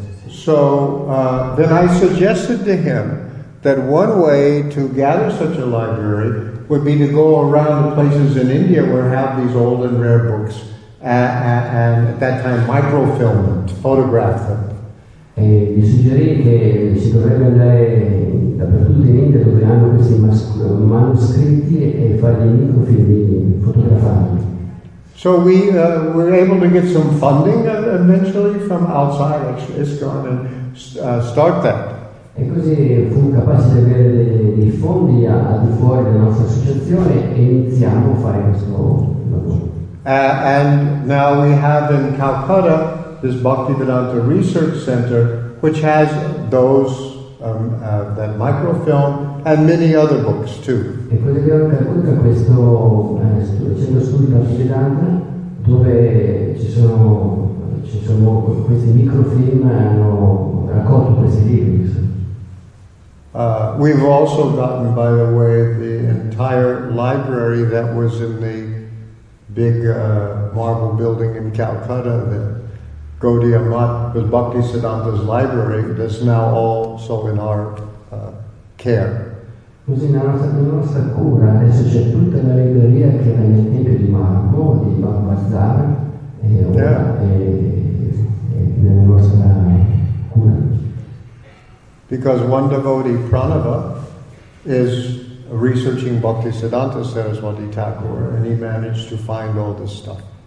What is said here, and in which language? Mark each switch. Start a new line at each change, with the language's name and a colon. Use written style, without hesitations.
English: So then I suggested to him that one way to gather such a library would be to go around the places in India where have these old and rare books. And at that time, microfilm them, to photograph them.
Italian: E gli suggerì che si dovrebbe andare dappertutto in India dove hanno questi manoscritti e fare dei microfilm e fotografarli.
English: So we were able to get some funding eventually from outside ISKCON and start that.
Italian: E così fu capace di avere dei fondi al di fuori della nostra associazione e iniziamo a fare questo lavoro.
English: And now we have in Calcutta this Bhaktivedanta Research Center, which has those that microfilm and many other books too.
Italian: E quello che abbiamo a Calcutta questo centro studi Bhaktivedanta dove ci sono questi microfilm hanno raccolto questi libri.
English: We've also gotten, by the way, the entire library that was in the big marble building in Calcutta, the Gaudiya Math, with Bhakti Siddhanta's library, that's now all so in our care.
Italian: Così nella nostra cura adesso c'è tutta la libreria che era nel tempio di Marco, di Bhagavatar, e ora è nella nostra cura.
English: Because one devotee, Pranava, is researching Bhakti Siddhanta Saraswati Thakur, and he managed to find all this stuff.